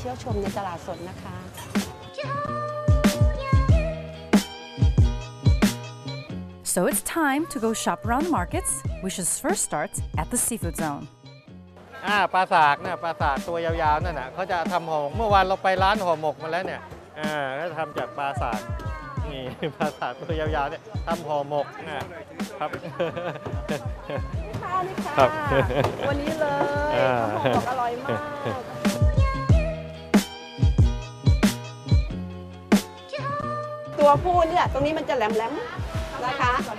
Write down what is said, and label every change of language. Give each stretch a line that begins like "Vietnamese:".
Thai: แล้วก็เป็นแหล่งรวบรวมอาหารสดๆหลากหลายนะครับในจังหวัดภูเก็ตนะครับเทศบาลนครภูเก็ตโดยมีกองสาธารณสุขและสิ่งแวดล้อมนะคะเป็นคนดูแลจัดระเบียบนะคะดูแลเรื่องความปลอดภัยด้านอาหารตลอดจนเรื่องของการคุ้มครองผู้บริโภคนะคะเดี๋ยวดิฉันจะพาไปเที่ยวชมในตลาดสดนะคะ
English: So it's time to go shop around the markets. We should first start at the seafood zone.
Thai: ปลาสากเนี่ยปลาสากตัวยาวๆนั่นน่ะเค้าจะทําห่อหมกเมื่อวานเราไปร้านห่อหมกมาแล้วเนี่ยเค้าทําจากปลาสากนี่ปลาสากตัวยาวๆเนี่ยทําห่อหมกนะครับขอบคุณค่ะวันนี้เลยห่อหมกอร่อยมากตัวผู้เนี่ยตรงนี้มันจะแหลมๆนะคะ